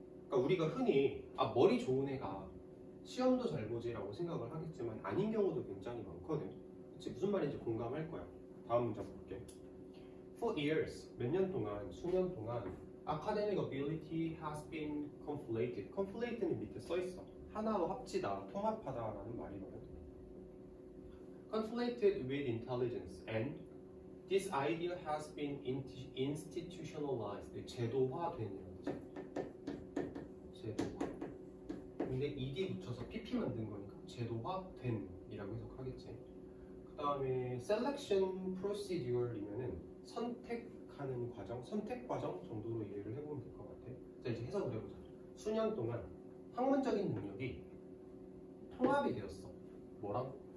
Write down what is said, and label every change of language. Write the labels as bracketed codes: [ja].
[ko] 그러니까 우리가 흔히 아, 머리 좋은 애가 시험도 잘 보지 라고 생각을 하겠지만 아닌 경우도 굉장히 많거든. 그치? 무슨 말인지 공감할 거야. 다음 문장 볼게. [en] For years, [ko] 몇 년 동안, 수년 동안 [en] Academic ability has been conflated. [ko] Conflated는 밑에 써있어. 하나로 합치다, 통합하다 라는 말이거든. [en] Conflated with intelligence and this idea has been institutionalized. [ko] 제도화 된 이런 거지. 제도화. 근데 ED 붙여서 PP 만든 거니까 제도화된 이라고 해석하겠지. 그 다음에 selection procedure이면은 선택하는 과정, 선택 과정 정도로 이해를 해보면 될 것 같아. 자, 이제 해석을 해보자. 수년 동안 학문적인 능력이 통합이 되었어. 뭐랑?